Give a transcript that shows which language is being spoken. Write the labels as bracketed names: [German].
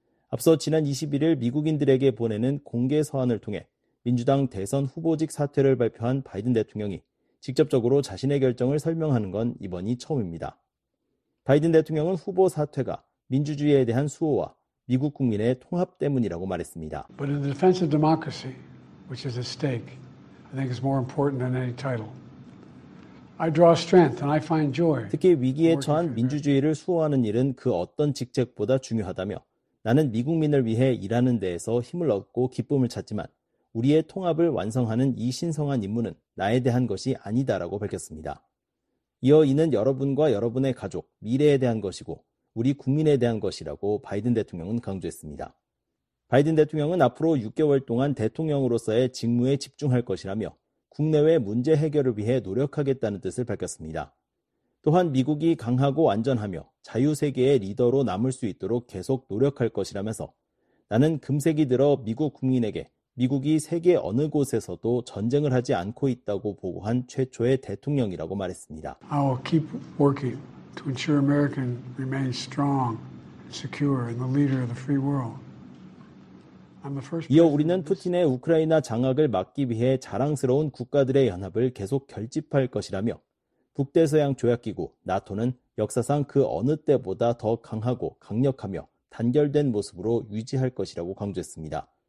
[Korean] 앞서 지난 21일 미국인들에게 보내는 공개 서한을 통해 민주당 대선 후보직 사퇴를 발표한 바이든 대통령이 직접적으로 자신의 결정을 설명하는 건 이번이 처음입니다. 바이든 대통령은 후보 사퇴가 민주주의에 대한 수호와 미국 국민의 통합 때문이라고 말했습니다. [English] But in the defense of democracy, which is at stake, I think is more important than any title. I draw strength and I find joy. [Korean] 특히 위기에 처한 민주주의를 수호하는 일은 그 어떤 직책보다 중요하다며 나는 미국민을 위해 일하는 데에서 힘을 얻고 기쁨을 찾지만 우리의 통합을 완성하는 이 신성한 임무는 나에 대한 것이 아니다라고 밝혔습니다. 이어 이는 여러분과 여러분의 가족, 미래에 대한 것이고 우리 국민에 대한 것이라고 바이든 대통령은 강조했습니다. 바이든 대통령은 앞으로 6개월 동안 대통령으로서의 직무에 집중할 것이라며 국내외 문제 해결을 위해 노력하겠다는 뜻을 밝혔습니다. 또한 미국이 강하고 안전하며 자유세계의 리더로 남을 수 있도록 계속 노력할 것이라면서 나는 금세기 들어 미국 국민에게 미국이 세계 어느 곳에서도 전쟁을 하지 않고 있다고 보고한 최초의 대통령이라고 말했습니다. [English] I will keep working to ensure America remains strong, secure, and the leader of the free world. [Korean] 이어 우리는 푸틴의 우크라이나 장악을 막기 위해 자랑스러운 국가들의 연합을 계속 결집할 것이라며 북대서양 조약기구 나토는 역사상 그 어느 때보다 더 강하고 강력하며 단결된 모습으로 유지할 것이라고 강조했습니다.